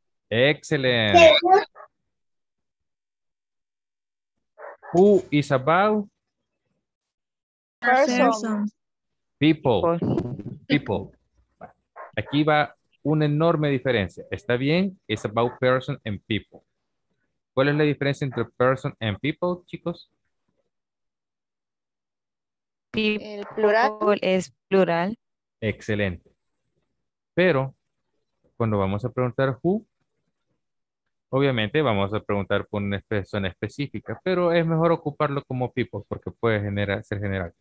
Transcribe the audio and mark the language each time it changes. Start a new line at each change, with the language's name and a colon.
English: Excellent. Who is about? Person. People. People.
Spanish: Aquí va una enorme diferencia. Está bien,
English: it's about person and people.
Spanish: ¿Cuál es la diferencia entre
English: person and people,
Spanish: chicos? El plural es plural. Excelente. Pero cuando vamos a preguntar who, obviamente vamos a preguntar por una persona específica, pero es mejor ocuparlo como people porque puede ser general.